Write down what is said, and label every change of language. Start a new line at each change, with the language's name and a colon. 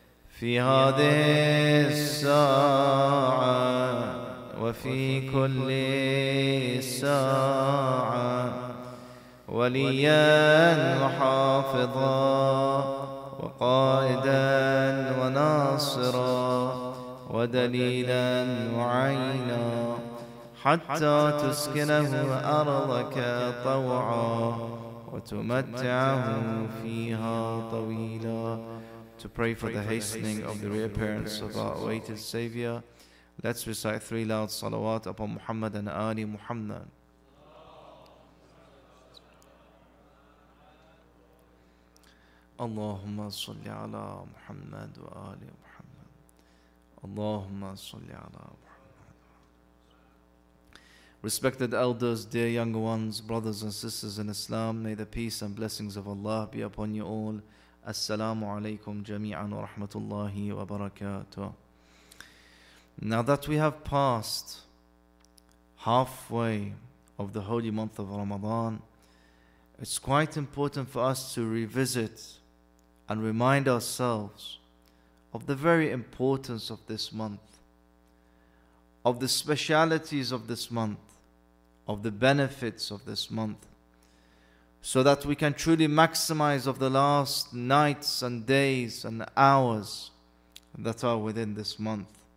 Arabic: في هذه الساعة وفي كل ساعة وليا وحافظا قائدا وناصرا ودليلا وعينا حتى تسكنه أرضك طوعا وتمتعه فيها طويلا.
English: To pray for the hastening of the reappearance of our awaited Savior, let's recite three loud salawat upon Muhammad and Ali Muhammad.
Arabic: اللهم صل على محمد وآل محمد اللهم صل على محمد.
English: Respected elders, dear younger ones, brothers and sisters in Islam, may the peace and blessings of Allah be upon you all.
Arabic: السلام عليكم جميعا ورحمة الله وبركاته.
English: Now that we have passed halfway of the holy month of Ramadan, it's quite important for us to revisit and remind ourselves of the very importance of this month, of the specialities of this month, of the benefits of this month, so that we can truly maximize of the last nights and days and hours that are within this month.